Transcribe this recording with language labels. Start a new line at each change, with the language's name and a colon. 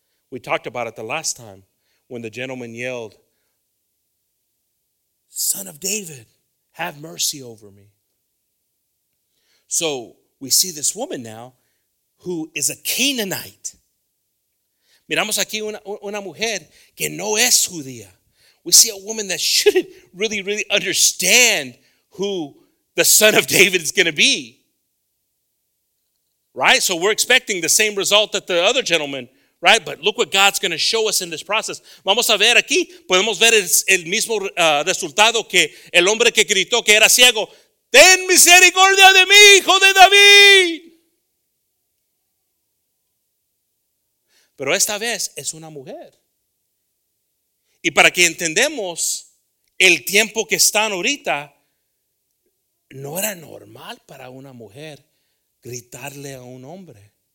English: We talked about it the last time when the gentleman yelled, Son of David, have mercy over me. So we see this woman now who is a Canaanite.
Spanish: Miramos aquí una mujer que no es judía.
English: We see a woman that shouldn't really, really understand who the Son of David is going to be. Right? So we're expecting the same result that the other gentleman. Right, but look what God's going to show us in this process.
Spanish: Vamos a ver aquí, podemos ver el mismo resultado que el hombre que gritó que era ciego. Ten misericordia de mí, hijo de David. Pero esta vez es una mujer. Y para que entendamos el tiempo que están ahorita, no era normal para una mujer gritarle a un hombre.